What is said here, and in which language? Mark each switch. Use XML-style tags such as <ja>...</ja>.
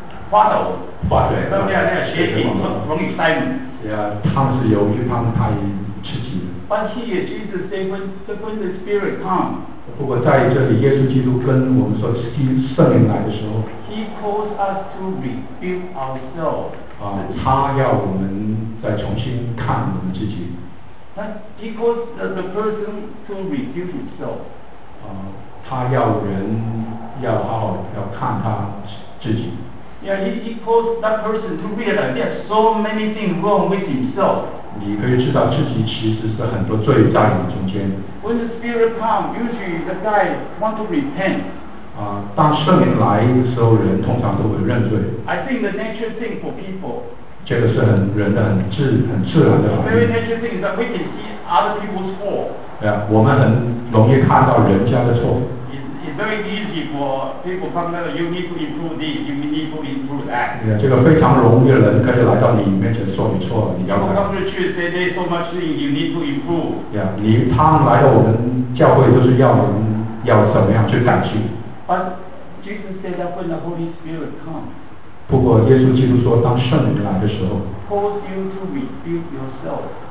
<zh>发抖，他们在邪灵，容易塞门。他们是由于他们太刺激了。</zh> <en>But here Jesus said, when the Spirit comes.</en> <zh>不过在这里，耶稣基督跟我们说，圣灵来的时候</zh> <en>，He calls us to rebuild ourselves.</en> <zh>他要我们再重新看我们自己。</zh> <en>He calls the person to review himself.</en> <zh>他要人要好好要看他自己。</zh> <en>Yeah, he calls that person to realize there's so many things wrong with himself.</en> <zh>你可以知道自己其实是很多罪在你中间。</zh> <en>When the spirit comes, usually the guy wants to repent.</en> <zh>当圣灵来的时候，人通常都会认罪。</zh> <en>I think the natural thing for people.</en> <zh>这个是很自然的。</zh> <en>The very natural thing is that we can see other people's fault.</en> <zh>我们很容易看到人家的错。</zh> <en>It's very easy for people to come to you need to improve this, you need to improve that.</en> <zh>这个非常容易的人可以来到你面前说你错了，你要改。</zh> <en>People come to church, they say so much things you need to improve.</en> <zh>他们来到我们教会都是要人要怎么样去改进。</zh> <en>But Jesus said that when the Holy Spirit comes,</en> <zh>不过耶稣基督说，当圣灵来的时候</zh> <en>，calls you to rebuild yourself.</en>